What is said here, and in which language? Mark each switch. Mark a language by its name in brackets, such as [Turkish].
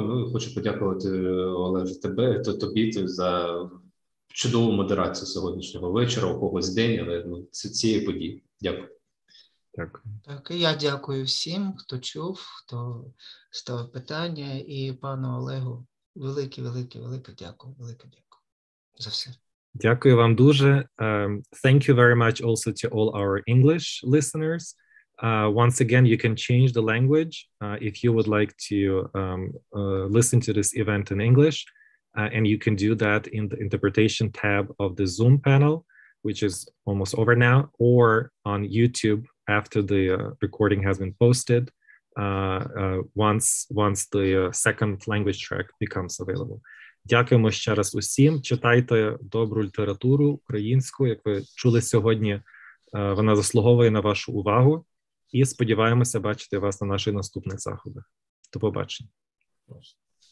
[Ukrainian] Ну, хочу подякувати, Олеже, тобі за чудову модерацію сьогоднішнього вечора, у когось день, але цієї події. Дякую. Дякую. Так, і я дякую всім, хто чув, хто ставив питання, і пану Олегу велике дякую за все. Дякую вам дуже. [English] Thank you very much also to all our English listeners. Once again, you can change the language if you would like to listen to this event in English, and you can do that in the interpretation tab of the Zoom panel, which is almost over now, or on YouTube after the recording has been posted once the second language track becomes available. [Ukrainian] Дякуємо ще раз усім. Читайте добру літературу українську, як ви чули сьогодні, вона заслуговує на вашу увагу. І сподіваємося бачити вас на наших наступних заходах. До побачення.